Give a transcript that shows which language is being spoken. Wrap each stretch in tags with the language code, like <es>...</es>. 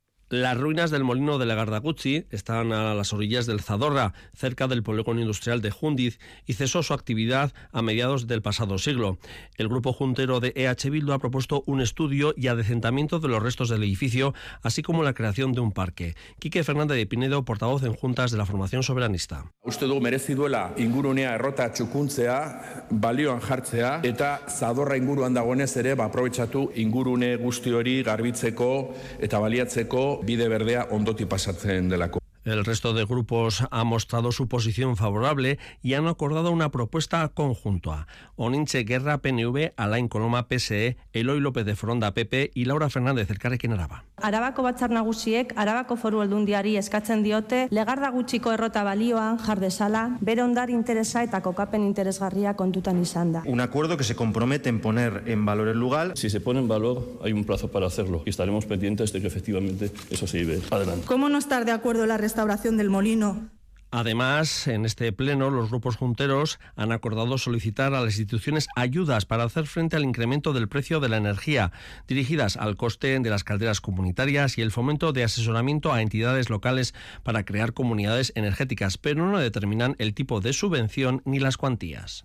<es>Las ruinas del molino de Legardagutxi están a las orillas del Zadorra, cerca del polígono industrial de Jundiz, y cesó su actividad a mediados del pasado siglo. El grupo juntero de EH Bildu ha propuesto un estudio y adecentamiento de los restos del edificio, así como la creación de un parque. Quique Fernández de Pinedo, portavoz en Juntas de la Formación Soberanista.</es> <eu>Uste dugu merezi duela ingurunea errota txukuntzea, balioan jartzea, eta Zadorra inguruan dagoenez ere, aprobetxatu ingurune guzti hori garbitzeko eta baliatzeko bide berdea ondoti pasatzen delako.</eu> <es>El resto de grupos ha mostrado su posición favorable y han acordado una propuesta conjunta. Oninche Guerra, PNV, Alain Coloma, PSE, Eloy López de Foronda, PP y Laura Fernández, Elkarrekin Araba.</es> <eu>Arabako batzar nagusiek, Arabako foru aldundiari eskatzen diote, Legardagutxiko errota balioan jar desala, bere ondar interesa eta kokapen interesgarria kontutan izanda.</eu> <es>Un acuerdo que se compromete en poner en valor el lugar. Si se pone en valor, hay un plazo para hacerlo y estaremos pendientes de que efectivamente eso se lleve adelante. ¿Cómo no estar de acuerdo la restauración del molino? Además, en este pleno, los grupos junteros han acordado solicitar a las instituciones ayudas para hacer frente al incremento del precio de la energía, dirigidas al coste de las calderas comunitarias y el fomento de asesoramiento a entidades locales para crear comunidades energéticas, pero no determinan el tipo de subvención ni las cuantías.</es>